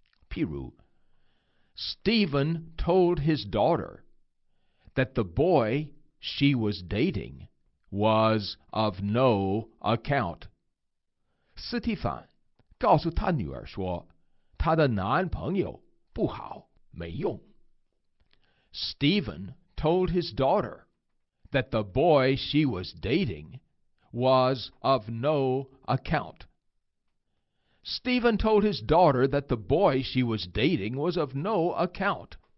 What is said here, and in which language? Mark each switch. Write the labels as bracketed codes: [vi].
[zh] 譬如 [en] Stephen told his daughter that the boy she was dating was of no account. [zh] 斯蒂凡告诉他女儿说他的男朋友不好，没用。 [en] Stephen told his daughter that the boy she was dating was of no account. Stephen told his daughter that the boy she was dating was of no account.